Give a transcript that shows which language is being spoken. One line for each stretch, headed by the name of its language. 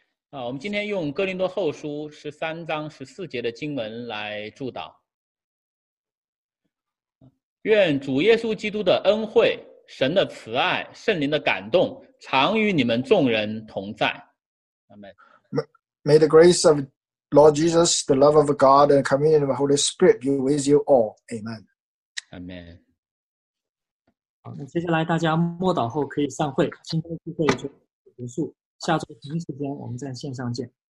Chinese: 我们今天用哥林多后书13章14节的经文来祝祷。愿主耶稣基督的恩惠、神的慈爱、圣灵的感动常与你们众人同在。 Amen。
English: May the grace of Lord Jesus, the love of God, and communion of the Holy Spirit be with you all. Amen. Amen.
Chinese: 好，那接下来大家默祷后可以散会，今天的聚会就结束，下周同一时间我们在线上见。